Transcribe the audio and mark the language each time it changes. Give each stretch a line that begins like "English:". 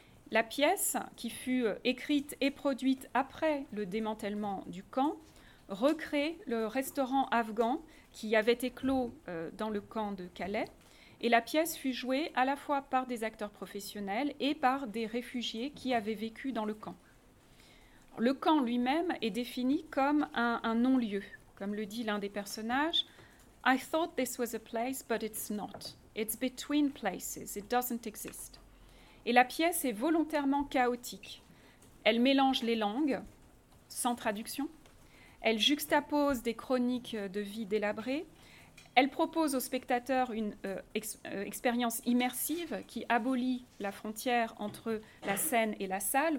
French: La pièce, qui fut écrite et produite après le démantèlement du camp, recrée le restaurant afghan qui avait éclos dans le camp de Calais. Et la pièce fut jouée à la fois par des acteurs professionnels et par des réfugiés qui avaient vécu dans le camp. Le camp lui-même est défini comme un non-lieu, comme le dit l'un des personnages.
English: I thought this was a place, but it's not. It's between places. It doesn't exist.
French: Et la pièce est volontairement chaotique. Elle mélange les langues, sans traduction. Elle juxtapose des chroniques de vie délabrées. Elle propose au spectateur une expérience immersive qui abolit la frontière entre la scène et la salle.